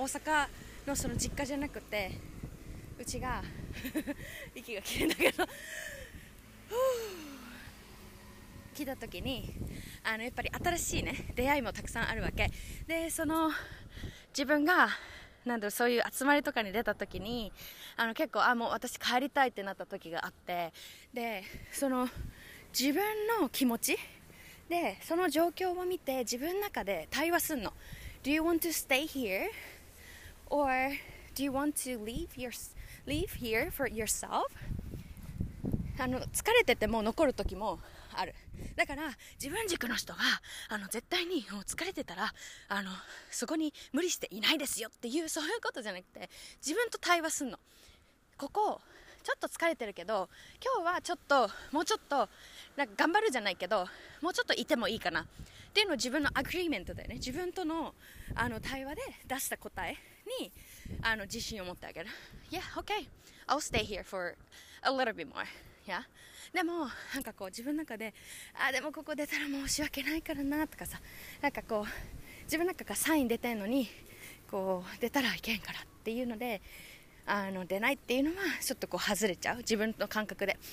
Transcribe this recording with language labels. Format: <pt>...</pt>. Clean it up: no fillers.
<ja>大阪のその実家じゃなくて、うちが息が切れんだけど来た時に、あのやっぱり新しいね出会いもたくさんあるわけで、その自分がなんだろう、そういう集まりとかに出た時に、あの結構あもう私帰りたいってなった時があって、でその自分の気持ちで、その状況を見て自分の中で対話すんの。</ja> <en>Do you want to stay here? Or do you want to leave here for yourself?</en> <ja>あの疲れてても残る時もある。だから自分軸の人は、あの絶対にもう疲れてたら、あのそこに無理していないですよっていう、そういうことじゃなくて自分と対話すんの。ここちょっと疲れてるけど、今日はちょっともうちょっとなんか頑張るじゃないけど、もうちょっといてもいいかなっていうのを自分のアグリーメントだよね、自分と あの対話で出した答えに、あの自信を持ってあげる。</ja> <en>Yeah, okay, I'll stay here for a little bit more.</en> <ja>Yeah, でもなんかこう自分の中で、あでもここ出たら申し訳ないからなとかさ、なんかこう自分の中がサイン出てんのに、こう出たらいけんからっていうので、あの出ないっていうのはちょっとこう外れちゃう、自分の感覚で。</ja>